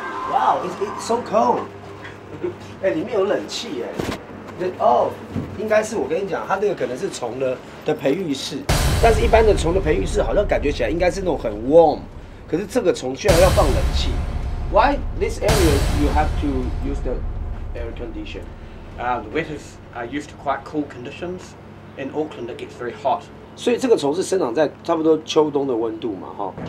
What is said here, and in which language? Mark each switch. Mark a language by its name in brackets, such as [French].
[English] Wow, it's so cold. [Chinese] 哎，里面有冷气哎。应该是我跟你讲，它那个可能是虫的培育室，但是一般的虫的培育室好像感觉起来应该是那种很 warm。可是这个虫居然要放冷气 [English] ？Why this area you have to use the air condition? The waiters are used to quite cool conditions. In Auckland, it gets very hot. [Chinese] 所以这个虫是生长在差不多秋冬的温度嘛，哈